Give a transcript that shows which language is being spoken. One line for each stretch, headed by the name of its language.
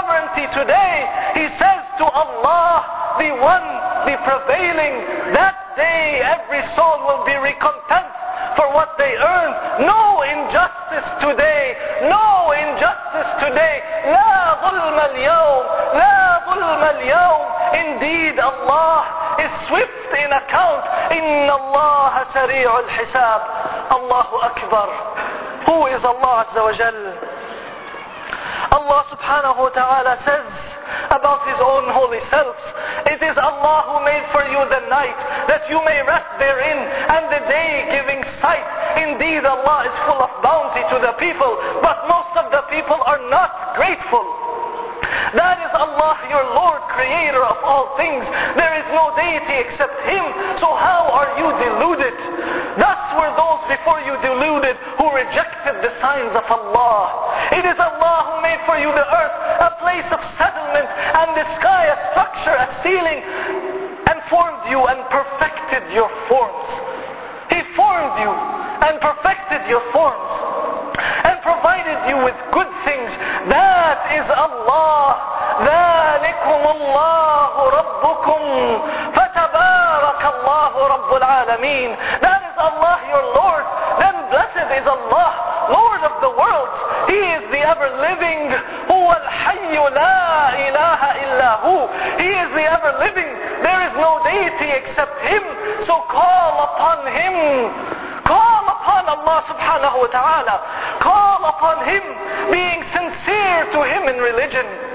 English: humanity today, he says to Allah, the one, the prevailing, that day every soul will be recompensed for what they earned. No injustice today, no injustice today.
Arabic: La ظلم اليوم, la ظلم اليوم.
English: Indeed, Allah is swift in account.
Arabic: إِنَّ اللَّهَ سَرِيعُ الْحِسَابِ. Allahu Akbar.
English: Who is Allah Azza wa Jal? Allah subhanahu wa ta'ala says about His own holy self, it is Allah who made for you the night that you may rest therein, and the day giving sight. Indeed, Allah is full of bounty to the people, but most of the people are not grateful. That is Allah, your Lord, creator of all things. There is no deity except Him. So how are you deluded? Thus were those before you deluded who rejected the signs of Allah. It is Allah who made for you the earth, a place of settlement, and the sky, a structure, a ceiling, and formed you and perfected your forms. He formed you and perfected your forms, and provided you with good things. That is Allah.
Arabic: ذلكم الله ربكم فتبارك الله رب العالمين.
English: That is Allah, your Lord. Then blessed is Allah, Lord of the world. He is the ever-living.
Arabic: هو الحي لا إله إلا هو.
English: He is the ever-living. There is no deity except Him. So call upon Him. Call upon Allah subhanahu wa ta'ala. Call upon Him, being sincere to Him in religion.